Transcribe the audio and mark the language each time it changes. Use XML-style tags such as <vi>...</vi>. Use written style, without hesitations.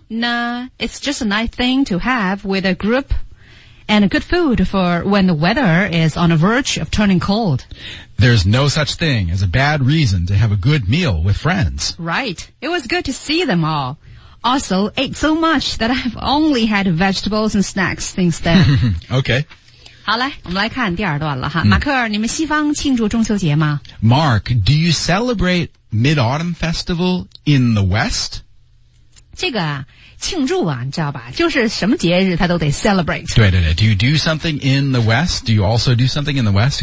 <en>Nah, it's just a nice thing to have with a group and a good food for when the weather is on the verge of turning cold. There's no such thing as a bad reason to have a good meal with friends. Right. It was good to see them all. Also, ate so much that I've only had vegetables and snacks since then. Okay.</en> <zh>好嘞，我们来看第二段了哈。马克尔，你们西方庆祝中秋节吗？</zh> <en>Mark, do you celebrate Mid-Autumn Festival in the West?</en> <zh>这个啊，庆祝啊，你知道吧，就是什么节日他都得 celebrate。</zh> <en>对对对， do you do something in the West? Do you also do something in the West?</en>